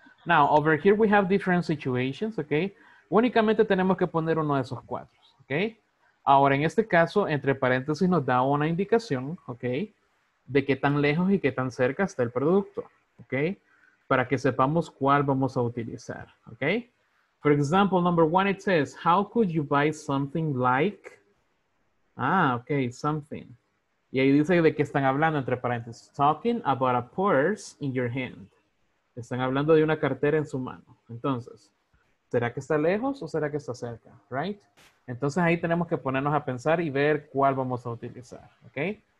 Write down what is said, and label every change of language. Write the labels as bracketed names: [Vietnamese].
[English] Now, over here we have different situations, okay? [Spanish] Únicamente tenemos que poner uno de esos cuatro, okay? Ahora, en este caso, entre paréntesis nos da una indicación, okay, de qué tan lejos y qué tan cerca está el producto, okay? Para que sepamos cuál vamos a utilizar, okay? [English] For example, number one, it says, how could you buy something like? Ah, okay, something. [Spanish] Y ahí dice de qué están hablando, entre paréntesis. [English] Talking about a purse in your hand. [Spanish] Están hablando de una cartera en su mano. Entonces, ¿será que está lejos o será que está cerca? Right? Entonces ahí tenemos que ponernos a pensar y ver cuál vamos a utilizar. Okay?